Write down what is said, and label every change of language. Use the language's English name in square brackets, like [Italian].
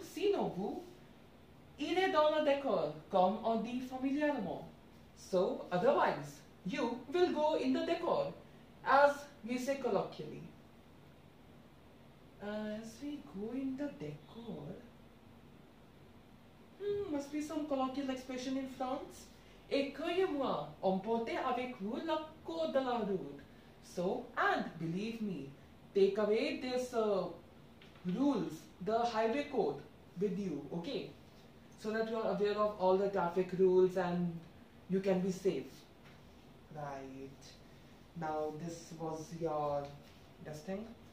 [French] Sinon vous, irez dans le décor, comme on dit familièrement. [English] So, otherwise, you will go in the décor, as we say colloquially. As we go in the décor, must be some colloquial expression in France. [French] Écoutez-moi, emportez avec vous le cours de la route. [English] So, and believe me, take away this rules, the highway code with you, okay? So that you are aware of all the traffic rules and you can be safe. Right. Now, this was your testing.